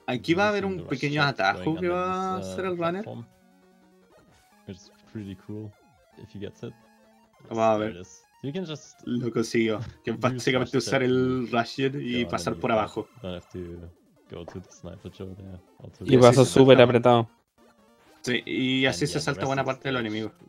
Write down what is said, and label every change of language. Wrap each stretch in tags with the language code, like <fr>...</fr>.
<es>Aquí va a haber un pequeño atajo que va a ser el runner.</es> <en>It's pretty cool if he gets it.</en> <es>Va a ver.</es> <en>You can just</en> <es>lo consiguió. Que básicamente usar el rusher y pasar por abajo.</es> <en>Don't have to go to the sniper Joe there.</en> <es>Y vas a super apretado. Sí, y así se salta buena parte de los enemigos.</es>